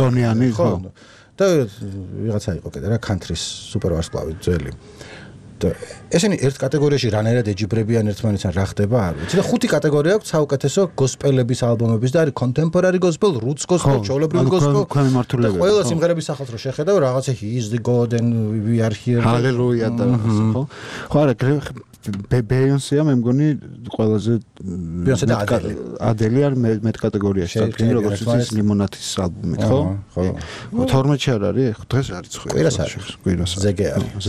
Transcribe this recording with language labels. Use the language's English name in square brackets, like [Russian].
[Georgian] ზონიანი ხო და ვიღაცა იყო კიდე რა კანტრის სუპერვარსკვლავი ძველი და ესენი ერთ კატეგორიაში რანაირად ეჯიბრებიან ერთმანეთს რა ხდება არ ვიცი და ხუთი კატეგორია აქვს საუკეთესო გოსპელების ალბომების და არის კონტემპორარი გოსპელ რუტს გოსპელ ჩოლობრივი გოსპელ ქვემი მართულებები და ყველა სიმღერების ახალს რო შეხედავ რაღაცა [English] he is the god and we are here [Georgian] ჰალელუია და ხო ხო არა ბეიონსია მე მგონი ყველაზე ბეიონსე და ადელი ადელი არ მე კატეგორიაში თქვი როგორც ის ლიმონატის ალბომი ხო ხო 12 ჩარ არის ხო დღეს არის ხო კვირას არის კვირას არის